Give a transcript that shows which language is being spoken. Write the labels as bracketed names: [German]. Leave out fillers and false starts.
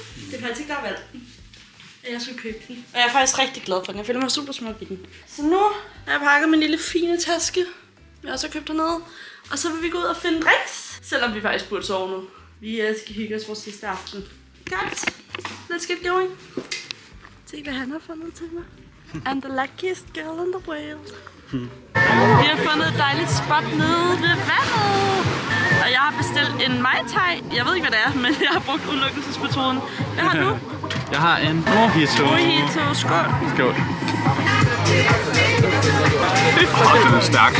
[Danish] Det er faktisk der valgt. Jeg skal købe den. Og jeg er faktisk rigtig glad for den. Jeg føler mig super smuk i den. Så nu har jeg pakket min lille fine taske. Jeg også har købt hernede. Og så vil vi gå ud og finde drinks. Selvom vi faktisk burde sove nu. Vi skal hygge os vores sidste aften. Godt. [English] Let's get going. [Danish] Se hvad han har fundet til mig. [English] I'm the luckiest girl in the world. [Danish] Vi har fundet et dejligt spot nede ved vandet. Og jeg har bestilt en Mai Tai. Jeg ved ikke hvad det er, men jeg har brugt udelukkelsesmetoden. Hvad har du? Jeg har en mojito. Mojito, skål. Skål. Fuck, den er stærk.